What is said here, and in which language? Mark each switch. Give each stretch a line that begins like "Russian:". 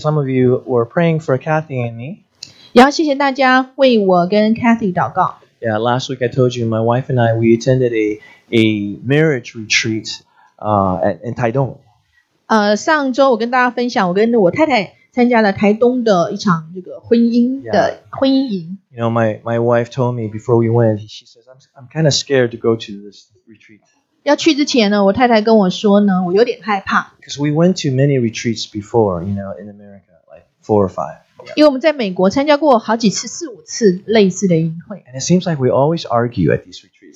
English: Some of you were praying for Kathy and me.
Chinese: 也要谢谢大家为我跟 Kathy 祷告。
English: Yeah, last week I told you my wife and I we attended a marriage retreat, in Taidong.
Chinese: 上周我跟大家分享，我跟我太太参加了台东的一场这个婚姻的婚姻营。
English: Yeah. You know, my wife told me before we went, she says I'm kind of scared to go to this retreat.
Chinese: 要去之前呢，我太太跟我说呢，我有点害怕。
English: Because we went to many retreats before, you know, in America, like 4 or 5.
Chinese: 因为我们在美国参加过好几次，四五次类似的营会。
English: And it seems like we always argue at these retreats.